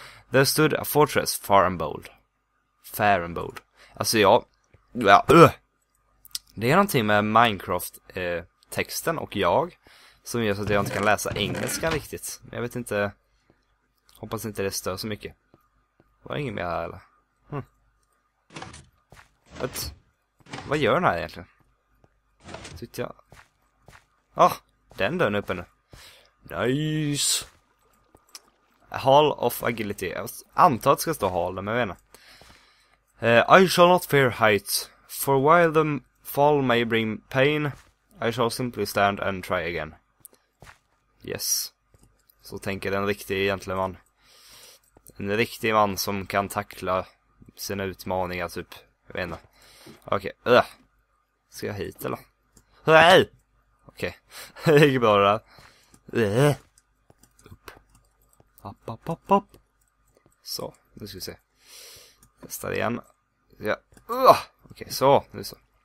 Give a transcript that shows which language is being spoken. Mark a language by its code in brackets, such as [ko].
[en] There stood a fortress far and bold. Fair and bold. Alltså, ja. [sv] Det är någonting med Minecraft. Texten och jag som gör så att jag inte kan läsa engelska riktigt. Jag vet inte. Hoppas inte det stör så mycket. Var ingen mer här eller? Vad gör den här egentligen? Tyckte jag. Ah, den dör uppe nu. Nice. [en] Hall of Agility. [sv] Jag antar att det ska stå hall där, men jag vet inte. [en] I shall not fear heights, for while the fall may bring pain, I shall simply stand and try again. Yes. [sv] Så tänker en riktig gentleman. En riktig man som kan tackla sina utmaningar typ. Jag vet inte. Okej. Ska jag hit eller? Nej! Okej. Det gick bra det där. Upp. Upp, upp, upp, upp. Så. Nu ska vi se. Testa igen. Ja. Okej, så. Nu så.